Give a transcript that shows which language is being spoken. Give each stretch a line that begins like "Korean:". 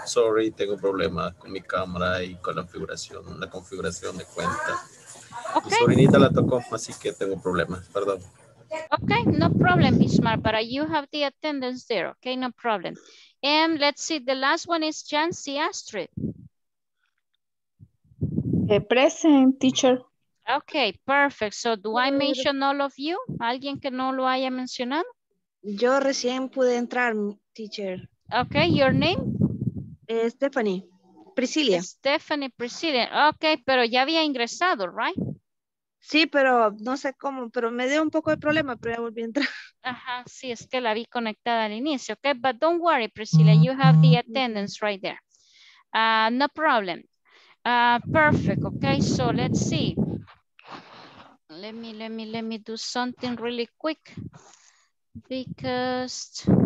Spanish: Sorry, tengo problemas con mi cámara y con la configuración de cuenta.
English: Okay.
Spanish: Mi sobrinita la tocó, así que tengo problemas, perdón.
English: Okay, no problem, Bismar, but you have the attendance there. Okay, no problem. And let's see, the last one is Jancy Astrid. Present, teacher. Okay, perfect. So do I mention all of you?
Spanish: ¿Alguien que no lo haya mencionado? Yo recién pude entrar, teacher.
English: Okay, your name? Stephanie Priscilla.
Spanish: Stephanie Priscilla. Okay, pero ya había ingresado, right? Sí, pero no sé cómo, pero me dio un poco de problema, pero ya volví a entrar. Ajá, sí, es que la vi conectada al inicio, okay?
English: But don't worry, Priscilla, you have the attendance right there. No problem. Perfect, okay, so let's see. Let me do something really quick. Because...